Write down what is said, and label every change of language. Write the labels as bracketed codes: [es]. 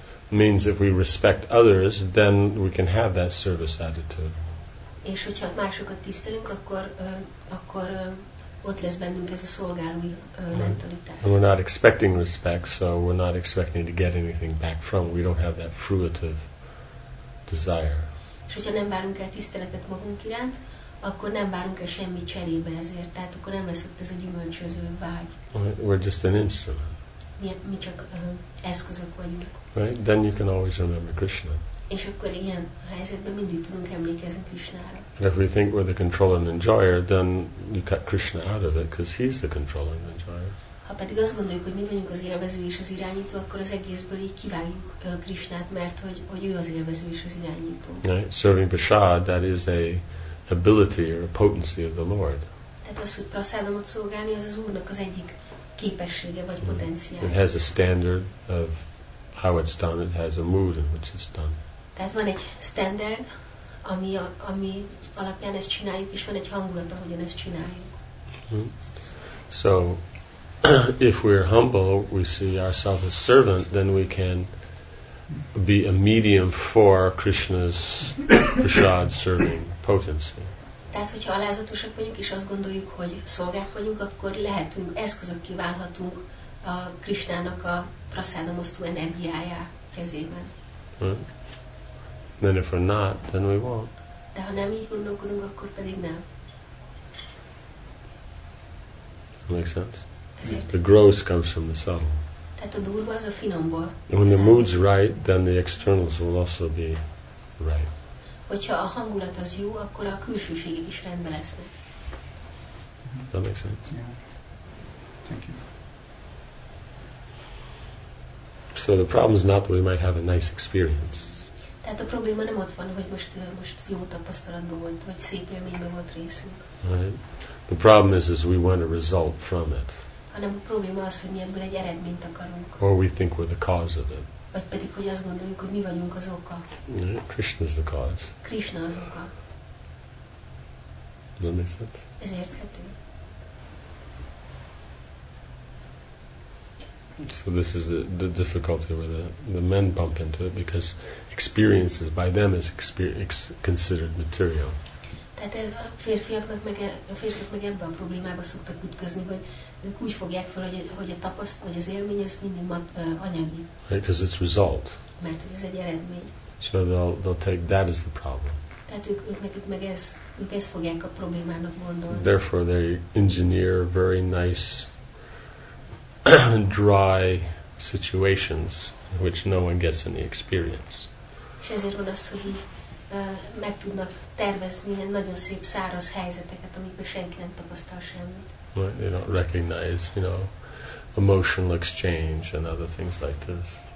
[en] Means if we respect others, then we can have that service attitude. [hu] És hogyha másokat tisztelünk, akkor ott lesz bennünk ez a szolgálói mentalitás. [en] And we're not expecting respect, so we're not expecting to get anything back from. We don't have that fruitive desire. [hu] És hogyha nem várunk el tiszteletet magunk iránt, akkor nem várunk el semmi cserébe ezért. Tehát akkor nem lesz ott ez a gyümölcsöző vágy. [en] We're just an instrument. [hu] Mi csak eszközök vagyunk. [en] Right? Then you can always remember Krishna. [hu] És akkor ilyen helyzetben mindig tudunk emlékezni Krishnára. [en] But if we think we're the controller and enjoyer, then you cut Krishna out of it, because he's the controller and enjoyer. [hu] Ha pedig azt gondoljuk, hogy mi vagyunk az élvező és az irányító, akkor az egészből így kivágjuk Krishnát, mert hogy ő az élvező és az irányító. [en] Right. Serving prasad, that is a ability or a potency of the Lord. [hu] Tehát az, hogy prasadamot szolgálni, az az Úrnak az egyik képessége vagy potenciája. [en] It has a standard of how it's done. It has a mood in which it's done. [hu] Tehát van egy standard, ami alapján ezt csináljuk, és van egy hangulat, ahogyan ezt csináljuk. [en] So, if we're humble, we see ourselves as servant, then we can be a medium for Krishna's prasad-serving potency. [hu] Tehát, hogyha alázatosak vagyunk, és azt gondoljuk, hogy szolgák vagyunk, akkor lehetünk, eszközök kiválhatunk a Krishnának a prasadamosztó energiájá kezében. [en] Then if we're not, then we won't. [hu] De ha nem így gondolkodunk, akkor pedig nem. [en] Make sense? The gross comes from the subtle. [hu] Tehát a durva az a finomból. [en] When the mood's right, then the externals will also be right. [hu] Hogyha a hangulat az jó, akkor a külsőségek is rendben lesznek. [en] That makes sense. Yeah. Thank you. So the problem is not that we might have a nice experience. [hu] Tehát a probléma nem ott van, hogy most jó tapasztalatban volt, vagy szép élményben volt részünk. [en] Right. The problem is we want a result from it. [hu] Hanem a probléma az, hogy mi ebből egy eredményt akarunk. [en] Or we think we're the cause of it. [hu] Vagy pedig, hogy azt gondoljuk, hogy mi vagyunk az oka. [en] No, Krishna is the cause. [hu] Krishna az oka. [en] Does that make sense? [hu] Ez érthető. [en] So this is the difficulty where the men bump into it, because experiences by them is considered material. [hu] Tehát ez a férfiaknak meg ebben a problémába szoktak ütközni, hogy ők úgy fogják fel, hogy a tapasztalat, vagy az élmény az mindig anyagi. [en] Because it's result. [hu] Mert hogy ez egy eredmény. [en] So they'll take that as the problem. [hu] Tehát ők ezt fogják a problémának gondolni. [en] Therefore they engineer very nice dry situations in which no one gets any experience. [hu] És ezért van az, hogy meg tudnak tervezni ilyen nagyon szép száraz helyzeteket, amikben senki nem tapasztal semmit. [en] Right, they don't recognize, you know, emotional exchange and other things like this.